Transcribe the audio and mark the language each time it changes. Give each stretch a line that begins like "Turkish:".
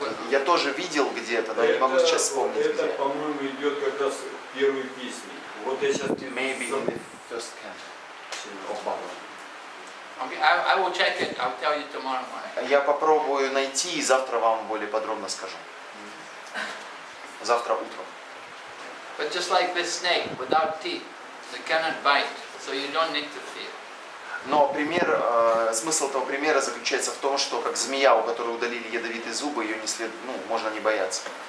Russian: Я тоже видел где-то, но не могу сейчас вспомнить где. Это, по-моему, идет как раз в первой песне. Вот я сейчас...
English: Maybe in the first canto. I will check it. I'll tell you tomorrow morning.
Russian: Я попробую найти и завтра вам более подробно скажу. Завтра утром.
English: But just like this snake, without teeth, they cannot bite, so you don't need to fear.
Russian: Но пример, смысл этого примера заключается в том, что как змея, у которой удалили ядовитые зубы, ее не след, ну, можно не бояться.